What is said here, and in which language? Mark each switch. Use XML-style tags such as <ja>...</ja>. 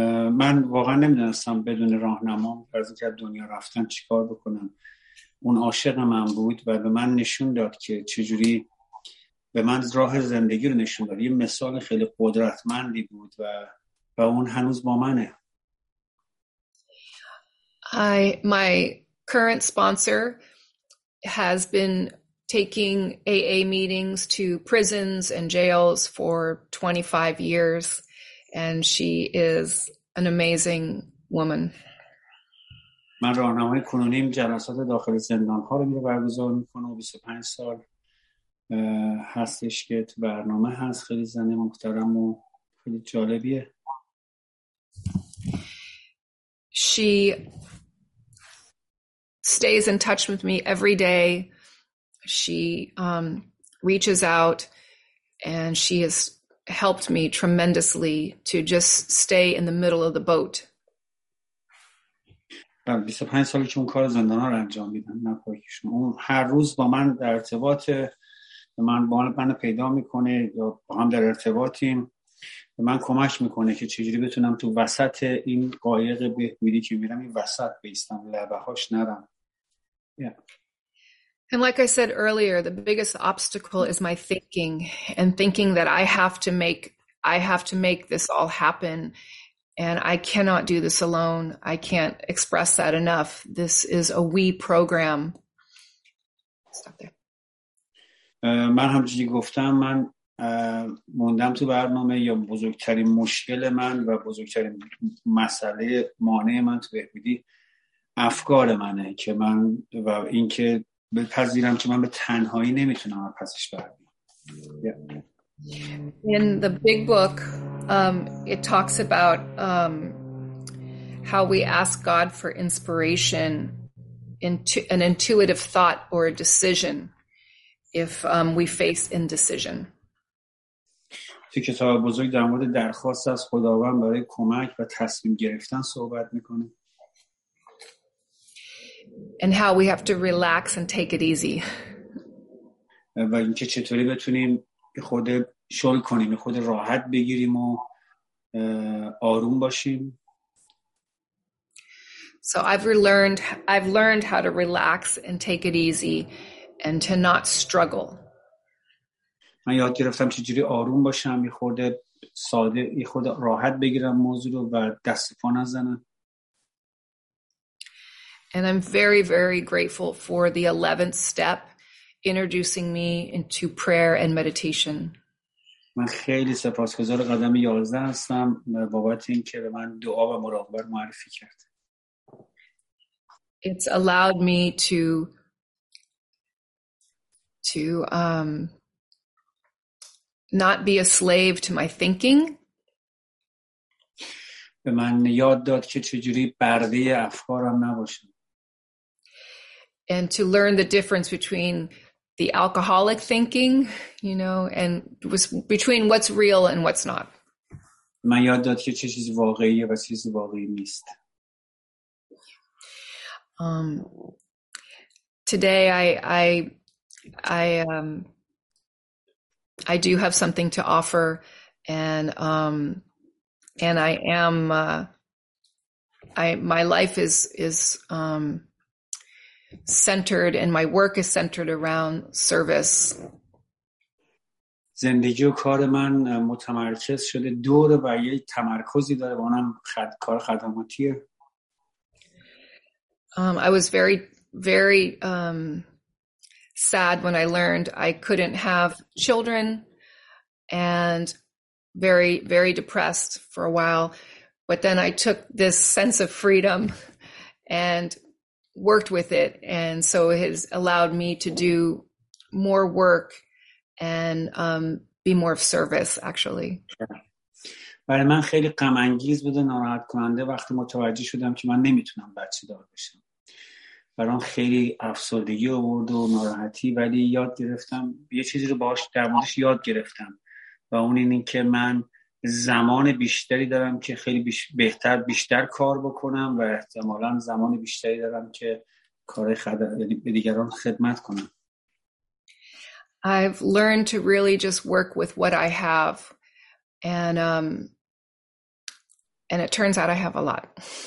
<fa>من واقعا نمیدونستم بدون راهنما از اینکه دنیا رفتن چیکار بکنم. اون عاشق من بود و به من نشون داد که چجوری به من راه زندگی رو نشون داد. یه مثال خیلی قدرتمندی بود و اون هنوز با منه.</fa> <en>My current sponsor has been taking AA meetings to prisons and jails for 25 years. And she is an amazing woman.</en> <fa>من راهنمای کنونیم جلسات داخل زندان‌ها رو میره برگزار می‌کنه و 25 سال هستش که تو برنامه هست. خیلی زن محترم و خیلی جالبیه.</fa> <en>She stays in touch with me every day. She reaches out and she is helped me tremendously to just stay in the middle of the boat.</en> <fa>من 25 سالی چون کار زندان را انجام میدم نه پاکیشون. اون هر روز با من در ارتباط من با من پیدا میکنه یا با هم در ارتباطیم به من کمک میکنه که چجوری بتونم تو وسط این قایق بهبودی که میرم این وسط بیستم لبه هاش نرم.</fa> <en>And like I said earlier, the biggest obstacle is my thinking and thinking that I have to make this all happen. And I cannot do this alone. I can't express that enough. This is a we program. Stop there.</en> <fa>من همچنین گفتم من موندم تو برنامه یا بزرگترین مشکل من و بزرگترین مسئله مانع من تو بهبودی افکار منه که من و اینکه بپذیرم که من به تنهایی نمیتونم از پسش برمیام.</fa> <en>Yeah. In the big book, it talks about how we ask God for inspiration into an intuitive thought or a decision if we face indecision.</en> <fa>تو کتاب بزرگ در مورد درخواست از خداوند برای کمک و تصمیم گرفتن صحبت میکنه.</fa> <en>And how we have to relax and take it easy.</en> <fa>و اینکه چطوری بتونیم خود شل کنیم، خود راحت بگیریم و آروم باشیم.</fa> <en>So I've learned how to relax and take it easy and to not struggle.</en> <fa>من یاد گرفتم چجوری آروم باشم، یه خورده ساده، یه خورده راحت بگیرم موضوع رو و دست پا نزنم.</fa> <en>And I'm very very grateful for the 11th step introducing me into prayer and meditation.</en> <fa>من خیلی سپاسگزار قدم 11 هستم بابت اینکه به من دعا و مراقبت معرفی کرد.</fa> <en>It's allowed me to not be a slave to my thinking.</en> <fa>به من یاد داد که چجوری برده افکارم نباشم.</fa> <en>And to learn the difference between the alcoholic thinking, you know, and between what's real and what's not.</en> <fa>من یاد داد که چه چیزی واقعیه و چه چیزی واقعی نیست.</fa> <en>Today I do have something to offer, and I am my life is centered, and my work is centered around service.</en> <fa>زندگی و کار من متمرکز شده دور و یه تمرکزی داره و اونم کار خدماتیه.</fa> <en>I was very very sad when I learned I couldn't have children, and very very depressed for a while, but then I took this sense of freedom and worked with it, and so it has allowed me to do more work and be more of service actually.</en> <fa>برای من خیلی غم انگیز بود و ناراحت کننده وقتی متوجه شدم که من نمیتونم بچه دار بشم. برام خیلی افسردگی آورد و ناراحتی، ولی یاد گرفتم یه چیزی رو باهاش در موردش یاد گرفتم و اون این که من زمان بیشتری دارم که خیلی بیشتر کار بکنم و احتمالاً زمان بیشتری دارم که کار به دیگران خدمت کنم.</fa> <en>I've learned to really just work with what I have, and it turns out I have a lot.</en>